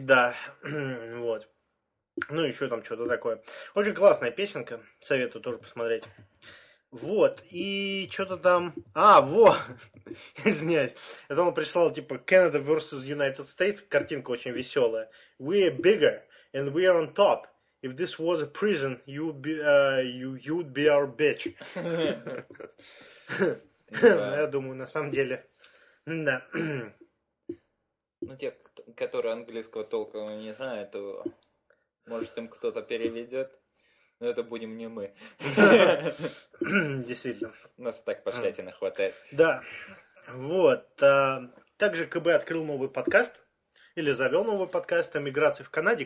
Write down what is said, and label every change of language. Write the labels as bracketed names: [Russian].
[Russian] Да, вот. Ну, еще там что-то такое. Очень классная песенка, советую тоже посмотреть. Вот, и что-то там... А, во! Извиняюсь. Это он прислал, типа, [English] Canada vs. United States. [Russian] Картинка очень веселая. [English] We are bigger, and we are on top. If this was a prison, you'd be our bitch. [Russian] Я думаю, на самом деле, Да. Ну, те, которые английского толка не знают, то может им кто-то переведет. Но это будем не мы. Действительно. Нас так пошлятина хватает. Да. Вот. Также КБ открыл новый подкаст. Или завел новый подкаст о миграции в Канаде.